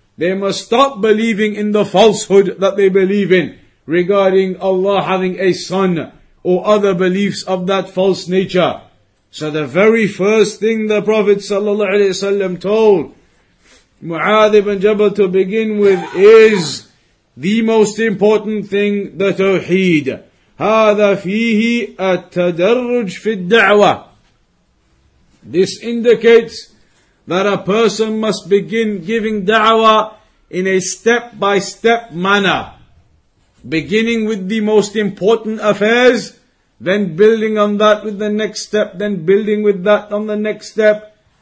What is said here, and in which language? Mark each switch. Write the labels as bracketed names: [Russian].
[English] They must stop believing in the falsehood that they believe in regarding Allah having a son or other beliefs of that false nature. So the very first thing the Prophet sallallahu alaihi wasallam told Mu'adh ibn Jabal to begin with is the most important thing, the Tawheed. [Arabic] هذا فيه التدرج في الدعوة. [English] This indicates that a person must begin giving da'wah in a step-by-step manner, beginning with the most important affairs, then building on that with the next step, then building with that on the next step.